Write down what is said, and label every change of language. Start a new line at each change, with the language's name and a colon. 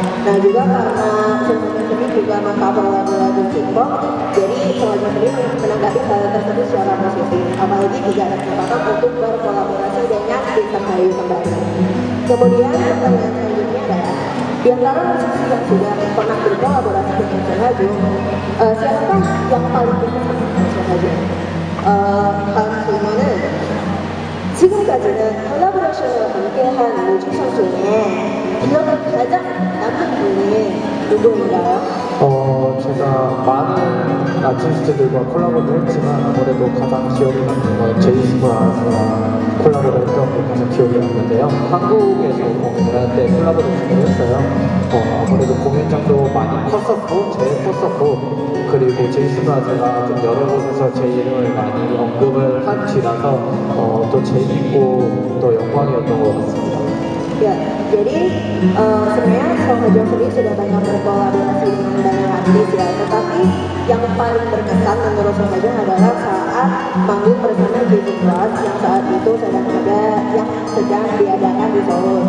Indonesian: Nah juga karena sebelumnya juga mengcover lagu-lagu K-pop, jadi selanjutnya sendiri menanggapi hal tersebut secara positif, apalagi juga ada kesempatan untuk berkolaborasi dengan Kristen Hayu kembali. Kemudian pertanyaan selanjutnya adalah, di antara musisi yang sudah pernah berkolaborasi dengan Kristen Hayu, siapa yang paling berkesan dengan Kristen Hayu?
Korean: 다음 질문은 지금까지는 컬래버레이션을 함께한 뮤지션 중에 기억을 가장 남은 분이 누구인가요? 제가 많은 아티스트들과 콜라보를 했지만 아무래도 가장 기억에 남는 건 제이스브라운과 콜라보를 했던 게 가장 기억에 남는데요. 한국에서 공연한테 콜라보를 했어요. 아무래도 공연장도 많이 컸었고 제일 컸었고 그리고 제이스브라운가 좀 여러 곳에서 제 이름을 많이 언급을 한 뒤라서 또 재밌고 또 영광이었던 것 같습니다.
Indonesian: Ya, jadi sebenarnya Song Ho Jo sendiri sudah banyak berkolaborasi dengan banyak artis ya. Tetapi yang paling berkesan menurut Song Ho Jo adalah saat panggung bersama Jimmy Cross yang saat itu sedang diadakan di Solo.